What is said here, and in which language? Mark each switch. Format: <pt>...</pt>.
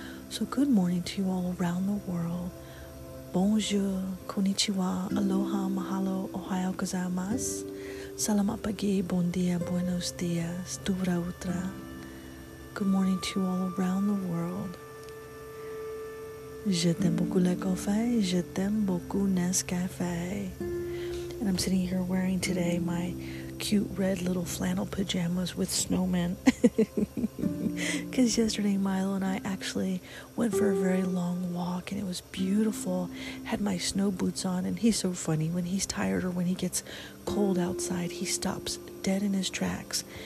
<en>So good morning to you all around the world. Bonjour, konnichiwa, aloha, mahalo, ohayou gozaimasu, salamat pagi, bon dia, buenos dias, dobra utra. Good morning to you all around the world.</en> <fr>Je t'aime beaucoup le café, je t'aime beaucoup Nescafe.</fr> <en>And I'm sitting here wearing today my cute red little flannel pajamas with snowmen. Because yesterday Milo and I actually went for a very long walk and it was beautiful. Had my snow boots on, and he's so funny. When he's tired or when he gets cold outside, he stops dead in his tracks.</en>